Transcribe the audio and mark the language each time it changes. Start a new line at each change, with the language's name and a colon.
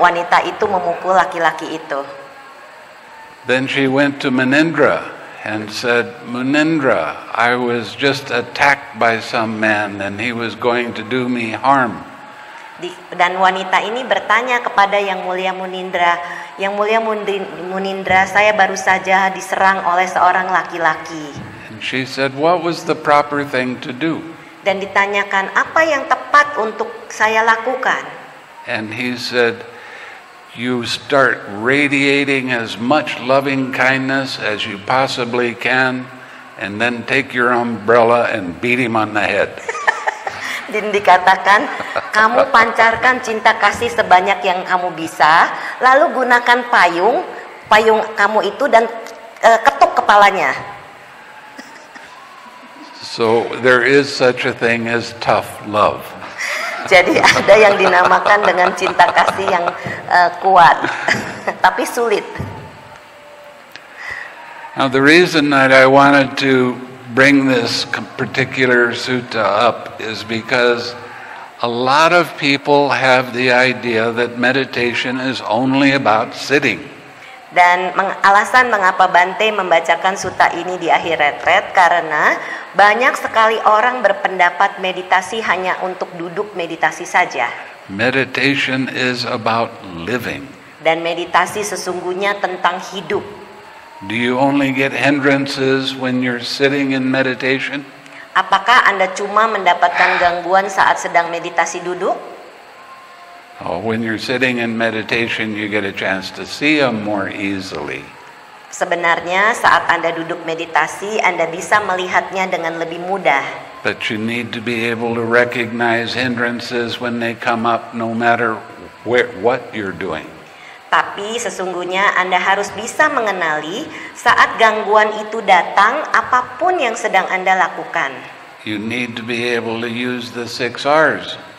Indonesian: Tentunya wanita itu memukul laki-laki itu.
English: Then she went to Munindra and said, "Munindra, I was just attacked by some man and he was going to do me harm."
Indonesian: Dan wanita ini bertanya kepada Yang Mulia Munindra, "Yang Mulia Munindra, saya baru saja diserang oleh seorang laki-laki."
English: She said, "What was the proper thing to do?"
Indonesian: Dan ditanyakan apa yang tepat untuk saya lakukan.
English: And he said, "You start radiating as much loving kindness as you possibly can, and then take your umbrella and beat him on the head."
Indonesian: Dan dikatakan, kamu pancarkan cinta kasih sebanyak yang kamu bisa, lalu gunakan payung kamu itu dan ketuk kepalanya.
English: So there is such a thing as tough love.
Indonesian: Jadi ada yang dinamakan dengan cinta kasih yang kuat, tapi sulit.
English: Now the reason that I wanted to bring this particular sutta up is because a lot of people have the idea that meditation is only about sitting.
Indonesian: Dan alasan mengapa Bante membacakan sutta ini di akhir retret karena banyak sekali orang berpendapat meditasi hanya untuk duduk meditasi saja.
English: Meditation is about living.
Indonesian: Dan meditasi sesungguhnya tentang hidup.
English: Do you only get hindrances when you're sitting in meditation?
Indonesian: Apakah Anda cuma mendapatkan gangguan saat sedang meditasi duduk?
English: Oh, when you're sitting in meditation, you get a chance to see them more easily.
Indonesian: Sebenarnya saat Anda duduk meditasi, Anda bisa melihatnya dengan lebih mudah.
English: But you need to be able to recognize hindrances when they come up, no matter what you're doing.
Indonesian: Tapi sesungguhnya Anda harus bisa mengenali saat gangguan itu datang, apapun yang sedang Anda lakukan.
English: You need to be able to use the six R's.